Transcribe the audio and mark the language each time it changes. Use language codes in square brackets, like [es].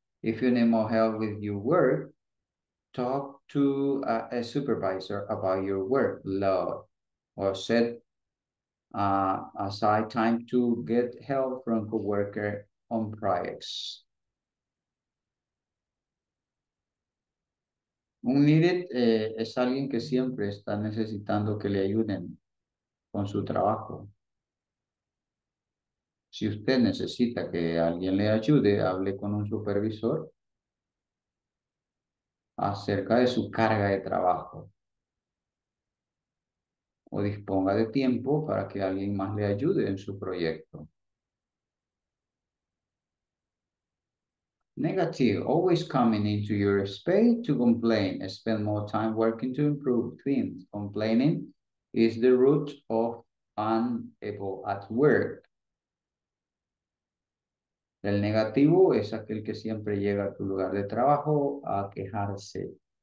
[en] If you need more help with your work, talk to a supervisor about your work load or set aside time to get help from coworker on projects. [es] Un needed es alguien que siempre está necesitando que le ayuden con su trabajo. Si usted necesita que alguien le ayude, hable con un supervisor acerca de su carga de trabajo. O disponga de tiempo para que alguien más le ayude en su proyecto. [en] Negative. Always coming into your space to complain. Spend more time working to improve things. Complaining is the root of unable at work. [es] El negativo es aquel que siempre llega a tu lugar de trabajo a quejarse.